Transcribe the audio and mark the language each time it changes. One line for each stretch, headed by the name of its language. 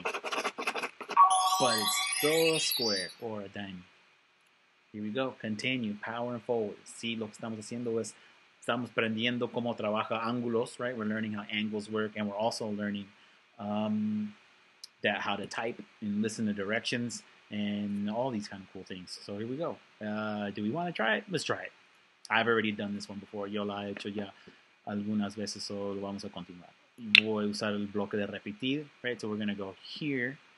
English: But it's still a square or a diamond. Here we go. Continue. Power and forward.
Spanish: See, lo que estamos haciendo es, estamos aprendiendo cómo trabaja ángulos, right?
English: We're learning how angles work. And we're also learning that how to type and listen to directions and all these kind of cool things. So here we go. Do we want to try it? Let's try it. I've already done this one before.
Spanish: Yo la he hecho ya. Algunas veces, so lo vamos a continuar. Voy a usar el bloque de repetir, right?
English: So we're going to go here.